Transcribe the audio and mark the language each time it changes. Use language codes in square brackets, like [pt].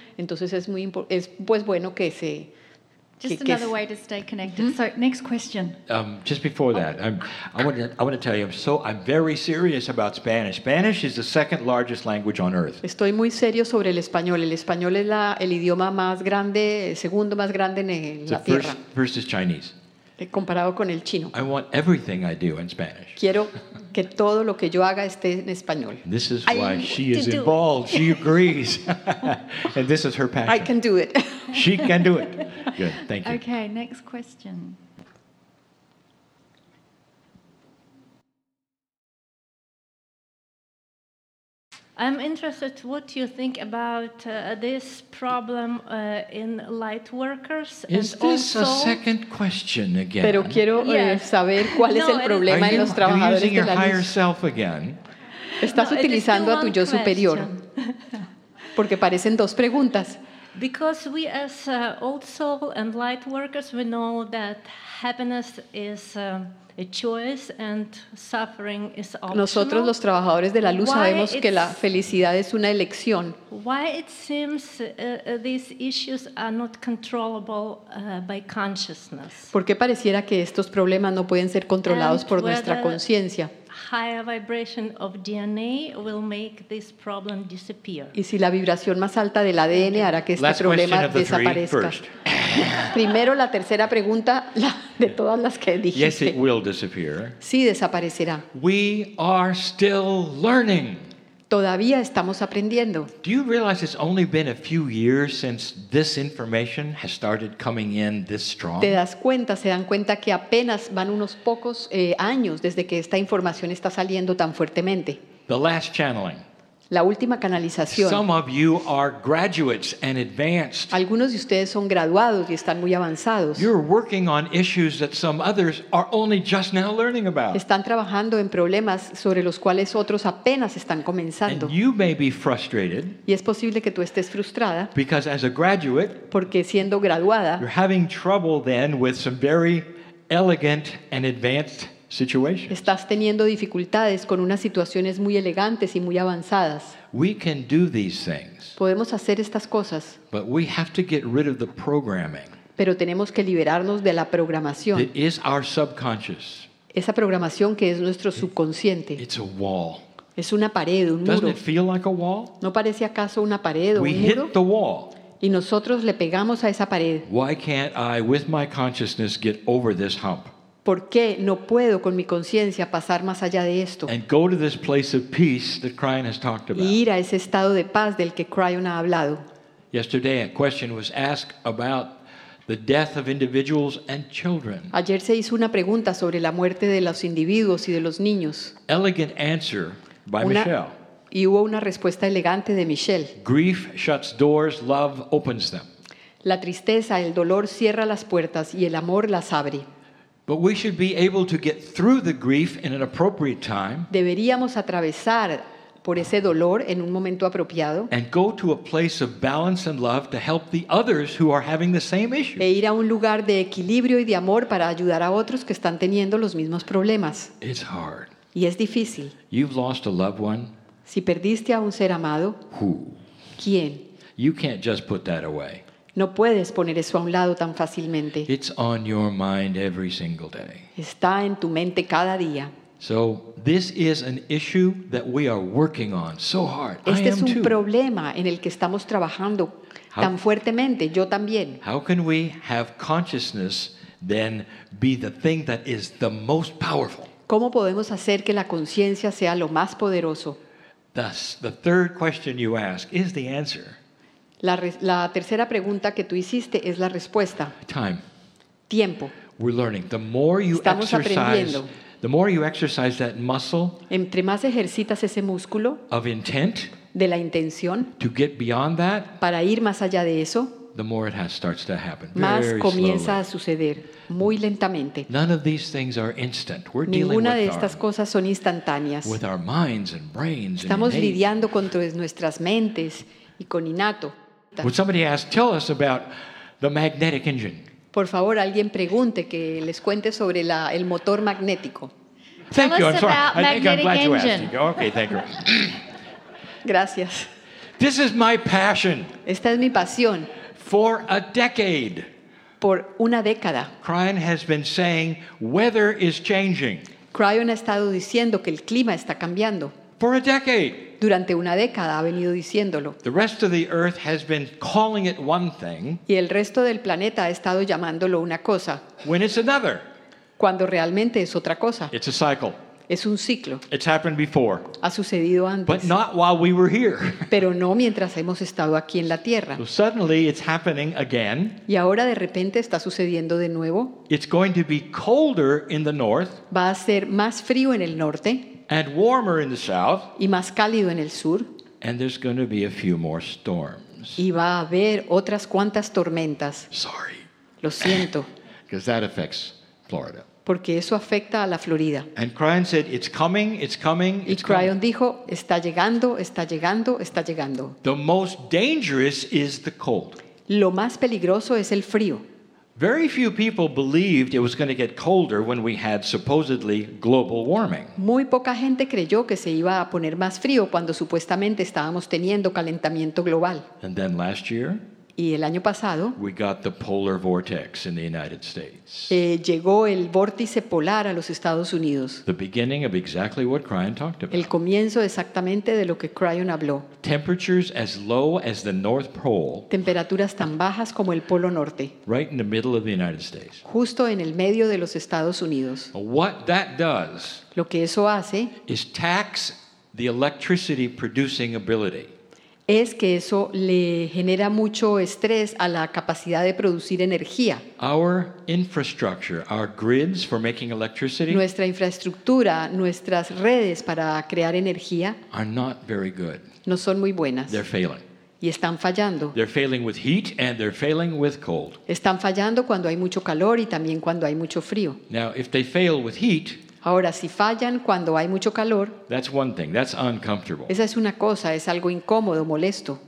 [es] Entonces es muy es pues bueno que se [en] another way to stay connected. Mm-hmm. So next question. Just before that, I want to tell you, I'm very serious about Spanish. Spanish is the second largest language on earth. [es] Estoy muy serio sobre el español. El español es el idioma más grande, segundo más grande en la tierra. [en] First is Chinese. [es] Comparado con el chino. [en] I want everything I do in Spanish. [es] Quiero que todo lo que yo haga esté en español. [en] This is why she is involved. She agrees. And this is her passion. I can do it. She can do it. Good. Thank you. Okay, next question. I'm interested what you think about this problem in light workers. Is this also a second question again? [es] Pero quiero saber cuál es el problema en los trabajadores de la luz. [en] Are you using your higher self again? [es] Estás utilizando a tu yo superior. Porque parecen dos preguntas. [en] Because we as old soul and light workers, we know that happiness is a choice and suffering is optional. [es] Nosotros los trabajadores de la luz sabemos que la felicidad es una elección. [en] Why it seems these issues are not controllable by consciousness? [es] ¿Por qué pareciera que estos problemas no pueden ser controlados [en] and [es] por nuestra conciencia? [en] Higher vibration of DNA will make this problem disappear. [es] ¿Y si la vibración más alta del ADN hará que este problema desaparezca? Primero la tercera pregunta de todas las que dijiste. [en] Yes, it will disappear. [es] Sí, desaparecerá. [en] We are still learning. [es] Todavía estamos aprendiendo. [en] Do you realize it's only been a few years since this information has started coming in this strong? [es] ¿Te das cuenta? ¿Se dan cuenta que apenas van unos pocos años desde que esta información está saliendo tan fuertemente? [en] The last channeling. [es] La última canalización. [en] Some of you are graduates and advanced. [es] Algunos de ustedes son graduados y están muy avanzados. [en] You're working on issues that some others are only just now learning about. [es] Están trabajando en problemas sobre los cuales otros apenas están comenzando. [en] And you may be frustrated. [es] Y es posible que tú estés frustrada. [en] Because as a graduate, [es] porque siendo graduada, [en] you're having trouble then with some very elegant and advanced situations. [es] Estás teniendo dificultades con unas situaciones muy elegantes y muy avanzadas. [en] We can do these things. [es] Podemos hacer estas cosas. [en] But we have to get rid of the programming. [es] Pero tenemos que liberarnos de la programación. [en] It is our subconscious. [es] Esa programación que es nuestro subconsciente. [en] It's a wall. [es] Es una pared, un [en] Doesn't [es] muro. [en] Doesn't it feel like a wall? [es] ¿No parece acaso una pared o [en] we [es] un muro? [en] We hit the wall. [es] Y nosotros le pegamos a esa pared. [en] Why can't I, with my consciousness, get over this hump? [es] ¿Por qué no puedo con mi conciencia pasar más allá de esto? [en] And go to this place of peace that Creon has talked about. [es] Y ir a ese estado de paz del que Creon ha hablado. [en] Yesterday a question was asked about the death of individuals and children. [es] Ayer se hizo una pregunta sobre la muerte de los individuos y de los niños. [en] Elegant answer by Michelle. [es] Y hubo una respuesta elegante de Michelle. [en] Grief shuts doors, love opens them. [es] La tristeza, el dolor cierra las puertas y el amor las abre. [en] But we should be able to get through the grief in an appropriate time. [es] Deberíamos atravesar por ese dolor en un momento apropiado. [en] And go to a place of balance and love to help the others who are having the same issue. [es] E ir a un lugar de equilibrio y de amor para ayudar a otros que están teniendo los mismos problemas. [en] It's hard. [es] Y es difícil. [en] You've lost a loved one. [es] Si perdiste a un ser amado, [en] who? [es] ¿Quién? [en] You can't just put that away. [es] No puedes poner eso a un lado tan fácilmente. [en] It's on your mind every single day. [es] Está en tu mente cada día. [en] So this is an issue that we are working on so hard. [es] Este [en] I am [es] es un [en] too. [es] Problema en el que estamos trabajando how, tan fuertemente. Yo también. [en] How can we have consciousness then be the thing that is the most powerful? [es] ¿Cómo podemos hacer que la conciencia sea lo más poderoso? [en] The third question you ask is the answer. [es] La tercera pregunta que tú hiciste es la respuesta. [en] Time. [es] Tiempo. [en] We're learning. The more you [es] estamos [en] exercise, [es] aprendiendo. [en] The more you exercise that muscle, [es] entre más ejercitas ese músculo [en] of intent, [es] de la intención, [en] to get beyond that, [es] para ir más allá de eso, [en] the more it has starts to happen, [es] más [en] very [es] comienza A suceder muy lentamente. [en] None of these things are instant. We're [es] ninguna [en] dealing with [es] de estas [en] our, [es] cosas son instantáneas. [en] With our minds and brains [es] estamos [en] and [es] lidiando con nuestras mentes y con innato. [en] Would somebody ask, tell us about the magnetic engine? [es] Por favor, alguien pregunte que les cuente sobre el motor magnético. [en] Thank tell you. Us I'm sorry. About I magnetic think I'm glad engine. You asked. You. Okay, thank you. [es] Gracias. [en] This is my passion. [es] Esta es mi pasión. [en] For a decade. [es] Por una década. [en] Cryon has been saying weather is changing. [es] Cryon ha estado diciendo que el clima está cambiando. [en] For a decade. [es] Durante una década ha venido diciéndolo. [en] The rest of the earth has been calling it one thing. [es] Y el resto del planeta ha estado llamándolo una cosa. [en] When it's another. [es] Cuando realmente es otra cosa. [en] It's a cycle. [es] Es un ciclo. [en] It's happened before. [es] Ha sucedido antes. [en] But not while we were here. [es] Pero no mientras hemos estado aquí en la Tierra. [en] So suddenly it's happening again. [es] Y ahora de repente está sucediendo de nuevo. [en] It's going to be colder in the north. [es] Va a ser más frío en el norte. [en] And warmer in the south. [es] Y más cálido en el sur. [en] And there's going to be a few more storms. [es] Y va a haber otras cuantas tormentas. [en] Sorry. [es] Lo siento. [en] Because that affects Florida. [es] Porque eso afecta a la Florida. [en] And Cryon said, "It's coming. It's coming. It's coming." [es] Y Cryon dijo, "Está llegando. Está llegando. Está llegando." [en] The most dangerous is the cold. [es] Lo más peligroso es el frío. [en] Very few people believed it was going to get colder when we had supposedly global warming. [es] Muy poca gente creyó que se iba a poner más frío cuando supuestamente estábamos teniendo calentamiento global. [en] And then last year, [es] y el año pasado, [en] we got the polar vortex in the United States. [es] Llegó el vórtice polar a los Estados Unidos. [en] The beginning of exactly what Cryon talked about. [es] El comienzo exactamente de lo que Cryon habló. [en] Temperatures as low as the North Pole. [es] Temperaturas tan bajas como el Polo Norte. [en] Right in the middle of the United States. [es] Justo en el medio de los Estados Unidos. [en] What that does? [es] Lo que eso hace [en] is tax the electricity producing ability. [es] Es que eso le genera mucho estrés a la capacidad de producir energía. [en] Our infrastructure, our grids for making electricity, [es] nuestra infraestructura, nuestras redes para crear energía, [en] are not very good. [es] No son muy buenas. [en] They're failing. [es] Y están fallando. [en] They're failing with heat and they're failing with cold. [es] Están fallando cuando hay mucho calor y también cuando hay mucho frío. [en] Now, if they fail with heat, [es] ahora, si fallan cuando hay mucho calor, [en] that's one thing. That's uncomfortable. [es] Esa es una cosa, es algo incómodo, molesto.